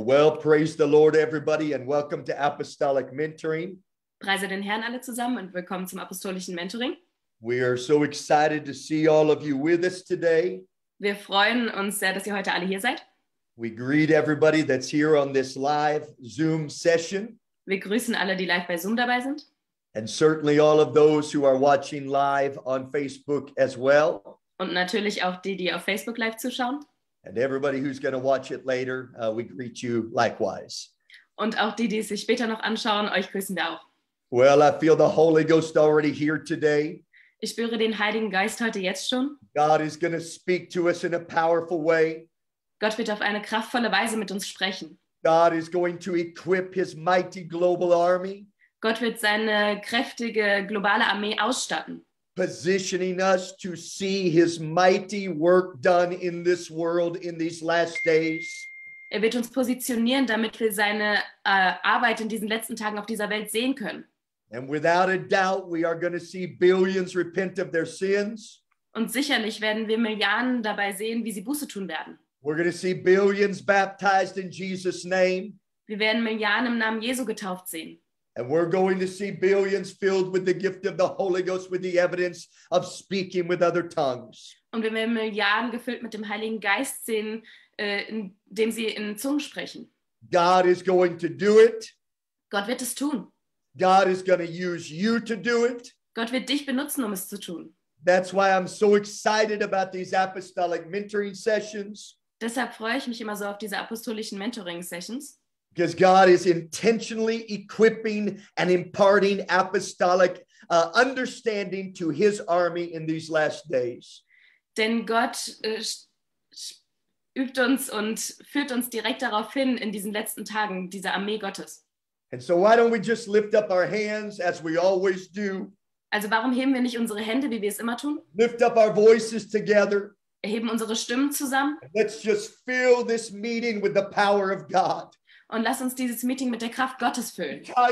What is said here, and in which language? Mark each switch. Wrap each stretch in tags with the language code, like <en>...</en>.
<en>Well, praise the Lord, everybody, and welcome to Apostolic Mentoring.</en> <de>Preise den Herrn alle zusammen und willkommen zum apostolischen Mentoring.</de> <en>We are so excited to see all of you with us today.</en> <de>Wir freuen uns sehr, dass ihr heute alle hier seid.</de> <en>We greet everybody that's here on this live Zoom session.</en> <de>Wir grüßen alle, die live bei Zoom dabei sind.</de> <en>And certainly all of those who are watching live on Facebook as well.</en> <de>Und natürlich auch die, die auf Facebook live zuschauen.</de> <en>And everybody who's going to watch it later, we greet you likewise.</en> <de>Und auch die, die es sich später noch anschauen, euch grüßen wir auch.</de> <en>Well, I feel the Holy Ghost already here today.</en> <de>Ich spüre den Heiligen Geist heute jetzt schon.</de> <en>God is going to speak to us in a powerful way.</en> <de>Gott wird auf eine kraftvolle Weise mit uns sprechen.</de> <en>God is going to equip his mighty global army.</en> <de>Gott wird seine kräftige globale Armee ausstatten.</de> <en>Positioning us to see his mighty work done in this world in these last days.</en> <de>Er wird uns positionieren, damit wir seine Arbeit in diesen letzten Tagen auf dieser Welt sehen können.</de> <en>And without a doubt, we are going to see billions repent of their sins.</en> <de>Und sicherlich werden wir Milliarden dabei sehen, wie sie Buße tun werden.</de> <en>We're going to see billions baptized in Jesus' name.</en> <de>Wir werden Milliarden im Namen Jesu getauft sehen.</de> <en>And we're going to see billions filled with the gift of the Holy Ghost with the evidence of speaking with other tongues.</en> <de>Und wir werden Milliarden gefüllt mit dem Heiligen Geist sehen, indem sie in Zungen sprechen.</de> <en>God is going to do it.</en> <de>Gott wird es tun.</de> <en>God is going to use you to do it.</en> <de>Gott wird dich benutzen, um es zu tun.</de> <en>That's why I'm so excited about these apostolic mentoring sessions.</en> <de>Deshalb freue ich mich immer so auf diese apostolischen Mentoring Sessions.</de> <en>Because God is intentionally equipping and imparting apostolic understanding to his army in these last days.</en> <de>Denn Gott übt uns und führt uns direkt darauf hin in diesen letzten Tagen dieser Armee Gottes.</de> <en>And so why don't we just lift up our hands as we always do?</en> <de>Also warum heben wir nicht unsere Hände, wie wir es immer tun?</de> <en>Lift up our voices together.</en> <de>Erheben unsere Stimmen zusammen.</de> <en>And let's just fill this meeting with the power of God.</en> <de>Und lass uns dieses Meeting mit der Kraft Gottes füllen.</de>